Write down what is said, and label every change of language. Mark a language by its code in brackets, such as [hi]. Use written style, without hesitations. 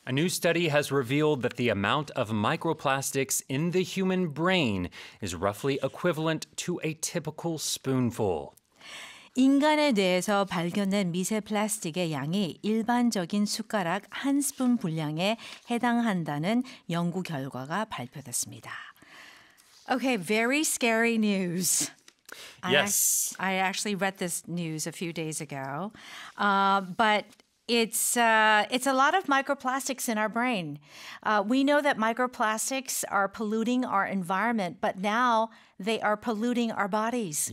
[en] A new study has revealed that the amount of microplastics in the human brain is roughly equivalent to a typical spoonful. [ko] 인간의 뇌에서 발견된 미세 플라스틱의 양이 일반적인 숟가락 한 스푼 분량에 해당한다는 연구 결과가 발표됐습니다. [en] Okay, very scary news. Yes. I actually read this news a few days ago. But it's a lot of microplastics in our brain. We know that microplastics are polluting our environment, but now they are polluting our bodies.